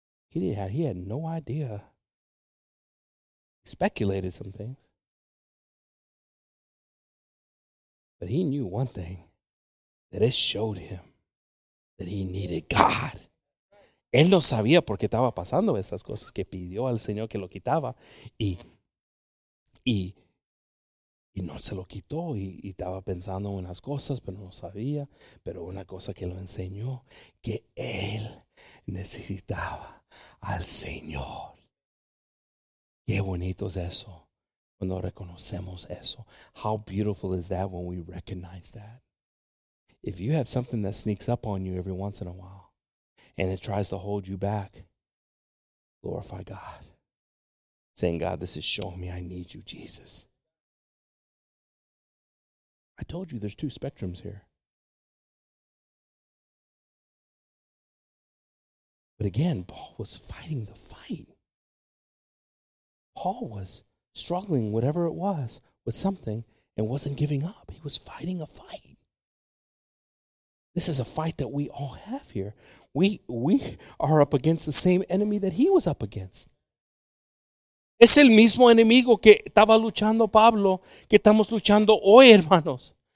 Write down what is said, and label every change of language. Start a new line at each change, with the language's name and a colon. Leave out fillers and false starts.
English: He had no idea. He speculated some things. But he knew one thing, that it showed him that he needed God.
Spanish: Él no sabía por qué estaba pasando estas cosas, que pidió al Señor que lo quitaba y no se lo quitó y estaba pensando unas cosas, pero no sabía. Pero una cosa que lo enseñó, que él necesitaba al Señor. Qué bonito es eso. Cuando reconocemos eso.
English: How beautiful is that when we recognize that? If you have something that sneaks up on you every once in a while and it tries to hold you back, glorify God. Saying, God, this is showing me I need you, Jesus. I told you there's two spectrums here. But again, Paul was fighting the fight. Paul was struggling, whatever it was, with something and wasn't giving up. He was fighting a fight. This is a fight that we all have here. We are up against the same enemy that he was up against.
Spanish: Es el mismo enemigo que estaba luchando Pablo, que estamos luchando hoy, hermanos.